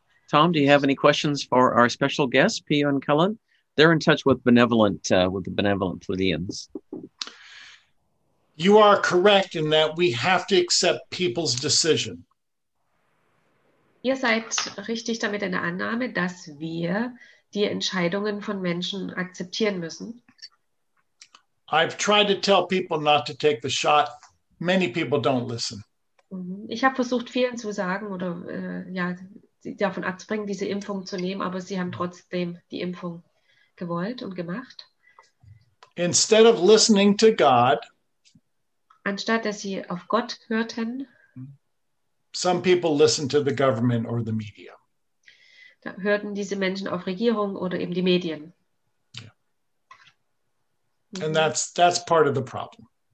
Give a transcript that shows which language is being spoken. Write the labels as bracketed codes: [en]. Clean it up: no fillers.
[en] Tom, do you have any questions for our special guest, Pio and Cullen? They're in touch with the benevolent Pleiadians. You are correct in that we have to accept people's decision. [de] Ihr seid richtig damit in der Annahme, dass wir die Entscheidungen von Menschen akzeptieren müssen. [en] I've tried to tell people not to take the shot. Many people don't listen. [de] Ich habe versucht, vielen zu sagen oder davon abzubringen, diese Impfung zu nehmen, aber sie haben trotzdem die Impfung gewollt und gemacht. [en] Instead of listening to God, [de] anstatt dass sie auf Gott hörten, [en] some people listen to the government or the media. [de] Da hörten diese Menschen auf Regierung oder eben die Medien. [en] Yeah. And that's part of the problem.